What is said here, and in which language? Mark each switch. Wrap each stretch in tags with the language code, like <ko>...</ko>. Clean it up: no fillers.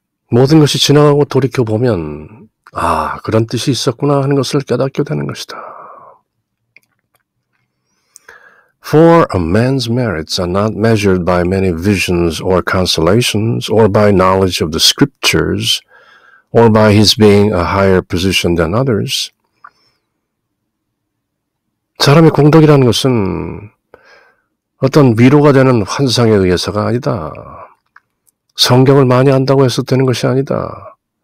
<ko>모든 것이 지나가고 돌이켜보면 아, 그런 뜻이 있었구나 하는 것을 깨닫게 되는 것이다.</ko> <en>For a man's merits are not measured by many visions or consolations or by knowledge of the scriptures or by his being a higher position than others.</en> <ko>사람의 공덕이라는 것은 어떤 위로가 되는 환상에 의해서가 아니다. 성경을 많이 안다고 해서 되는 것이 아니다.</ko>